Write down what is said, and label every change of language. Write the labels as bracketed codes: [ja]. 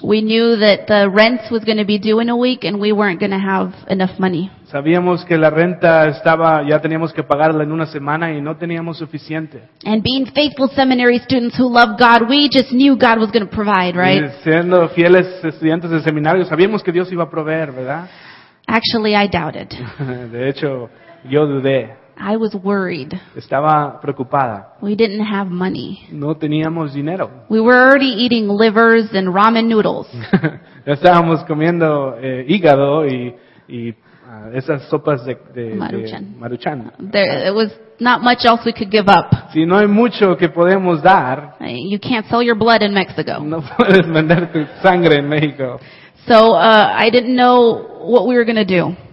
[en] We knew that the rent was going to be due in a week and we weren't going to have enough money. [es] Sabíamos que la renta estaba, ya teníamos que pagarla en una semana y no teníamos suficiente. [en] And being faithful seminary students who love God, we just knew God was going to provide, right? [es] Y siendo fieles estudiantes de seminario, sabíamos que Dios iba a proveer, ¿verdad? [en] Actually, I doubted. [es] De hecho, yo dudé. [en] I was worried. [es] Estaba preocupada. [en] We didn't have money. [es] No teníamos dinero. [en] We were already eating livers and ramen noodles. [es] Ya estábamos comiendo hígado y esas sopas de Maruchan. De Maruchan. [en] There was not much else we could give up. [es] Si no hay mucho que podemos dar. [en] You can't sell your blood in Mexico. [es] No puedes vender tu sangre en México. [en] So I didn't know what we were going to do.